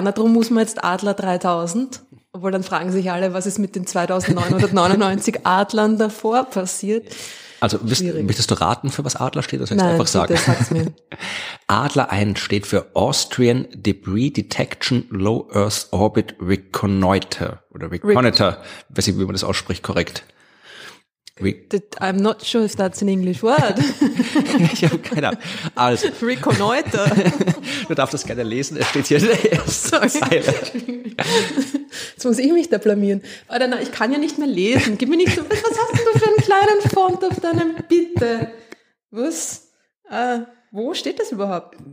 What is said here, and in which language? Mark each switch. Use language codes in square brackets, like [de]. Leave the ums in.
[de] Und darum muss man jetzt Adler 3000. Obwohl dann fragen sich alle, was ist mit den 2999 Adlern davor passiert. Ja. Also wisst, Schwierig. möchtest du raten, für was Adler steht? Oder soll ich Nein, einfach sagen? bitte, sag's mir. Adler 1 steht für Austrian Debris Detection Low Earth Orbit Reconnoiter oder Reconnoiter, weiß nicht, wie man das ausspricht, korrekt. Re [en] That- I'm not sure if that's an English word. [de] ich habe keine Ahnung. Also, [en] Reconnoiter. [de] du darfst das gerne lesen, es steht hier in der ersten Sorry. Zeile. Jetzt muss ich mich da blamieren. Oder na, ich kann ja nicht mehr lesen. Gib mir nicht so, was hast denn du für einen kleinen Font auf deinem Bitte? Was? Ah, wo steht das überhaupt?